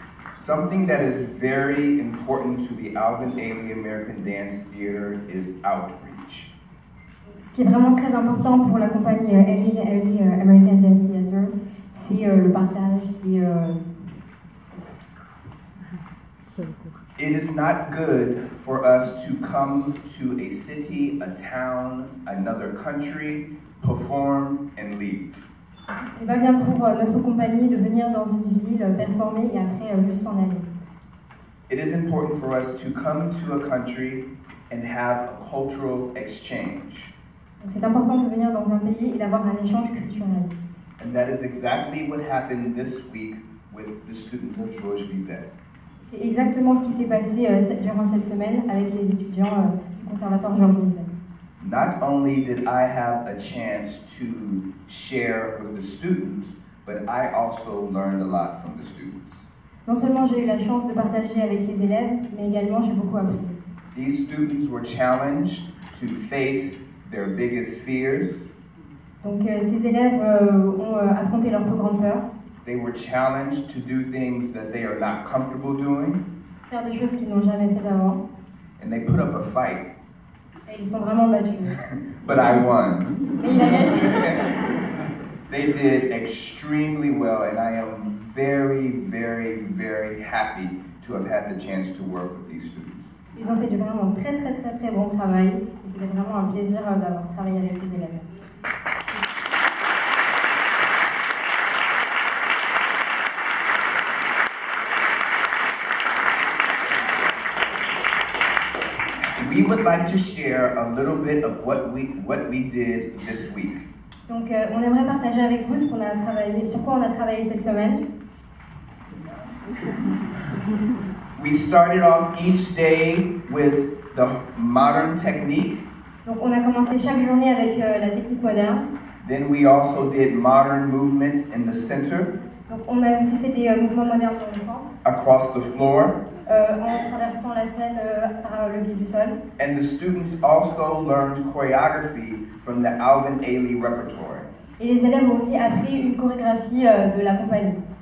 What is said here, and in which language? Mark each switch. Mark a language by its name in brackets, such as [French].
[English] Something that is very important to the Alvin Ailey American Dance Theater is outreach. [French] Ce qui est vraiment très important pour la compagnie Alvin Ailey American Dance Theater, c'est le partage, c'est [English] It is not good for us to come to a city, a town, another country, perform and leave. [French] Ce n'est pas bien pour notre compagnie de venir dans une ville, performer et après juste s'en aller. [English] It is important for us to come to a country and have a cultural exchange. [French] Donc c'est important de venir dans un pays et d'avoir un échange culturel. [English] And that is exactly what happened this week with the students of Georges Bizet. [French] C'est exactement ce qui s'est passé durant cette semaine avec les étudiants du conservatoire Georges Bizet. [English] Not only did I have a chance to share with the students, but I also learned a lot from the students. [French] Non seulement j'ai eu la chance de partager avec les élèves, mais également j'ai beaucoup appris. [English] These students were challenged to face their biggest fears. [French] Donc ces élèves ont affronté leurs plus grandes peurs. [English] They were challenged to do things that they are not comfortable doing. [French] Faire des choses qu'ils n'ont jamais fait avant. [English] And they put up a fight. [French] Et ils sont vraiment battus. [English] But I won. [French] Mais il a gagné. [English] They did extremely well and I am very, very, very happy to have had the chance to work with these students. [French] Ils ont fait du vraiment très, très, très, très bon travail. Et c'était vraiment un plaisir d'avoir travaillé avec ces élèves. [English] We would like to share a little bit of what we did this week. [French] Donc, on aimerait partager avec vous ce qu'on a travaillé, sur quoi on a travaillé cette semaine. [English] We started off each day with the modern technique. [French] Donc, on a commencé chaque journée avec la technique moderne. [English] Then we also did modern movements in the center. [French] Donc, on a aussi fait des mouvements modernes dans le centre. [English] Across the floor. [French] En traversant la scène par le biais du sol. [English] And the students also learned choreography from the Alvin Ailey repertoire. [French] Et les élèves ont aussi appris une chorégraphie de la compagnie.